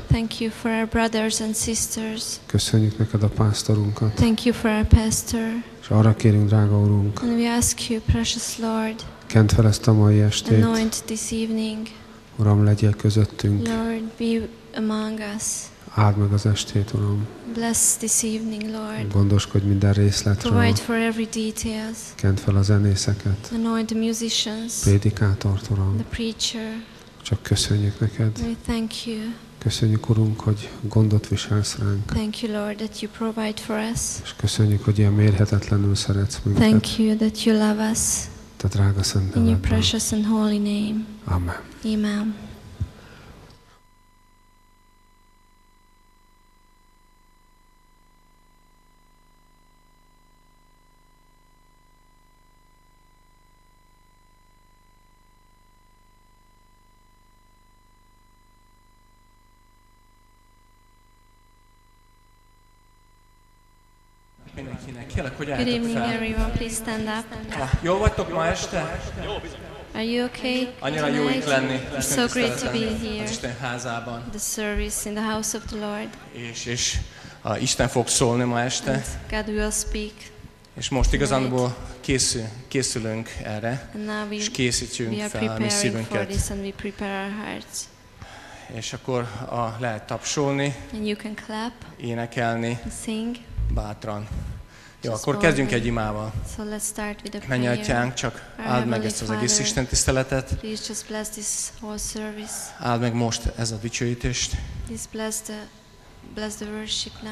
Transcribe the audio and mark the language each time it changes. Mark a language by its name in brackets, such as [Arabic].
[English] Thank you for our brothers and sisters. [Hungarian] Köszönjük neked a pásztorunkat. [English] Thank you for our pastor. [Hungarian] És arra kérünk, drága Urunk. [English] And we ask you, precious Lord. [Hungarian] Kent fel ezt a mai estét. [English] Anoint this evening. [Hungarian] Uram, legyél közöttünk. [English] Lord, be among us. [Hungarian] Áld meg az estét, Uram. [English] Bless this evening, Lord. [Hungarian] Gondoskodj minden részletről. [English] Provide for every details. [Hungarian] Kent fel a zenészeket. [English] Anoint the musicians. [Hungarian] Prédikátort, Uram. [English] The preacher. [Hungarian] Csak köszönjük neked. [English] We thank you. [Hungarian] Köszönjük, Urunk, hogy gondot viselsz ránk. [English] Thank you, Lord, that you provide for us. [Hungarian] És köszönjük, hogy ilyen mérhetetlenül szeretsz minket. [English] Thank you that you love us. [Hungarian] Te drága szent nevedben. [English] In your precious and holy name. Amen. Amen. Good evening, everyone. Please stand up. [Hungarian] Jó vagytok ma este? [English] Are you okay? [Hungarian] Annyira jó itt lenni. [English] It's so great to be here. [Hungarian] Az Isten házában. [English] The service in the house of the Lord. [Hungarian] És Isten fog szólni ma este. [English] God will speak. [Hungarian] És most igazából készülünk erre. És készítjünk fel mi szívünket. [English] For this and we prepare our hearts. [Hungarian] És akkor lehet tapsolni. [English] And you can clap. [Hungarian] Énekelni. [English] Sing. [Hungarian] Bátran. Jó, akkor kezdjünk egy imával. [English] So let's start with a prayer. [Hungarian] Menj, Atyánk, csak áld meg ezt az egész Isten tiszteletet. [English] Please just bless this whole service. [Hungarian] Áld meg most ez a dicsőítést. [English] Please bless the worship now.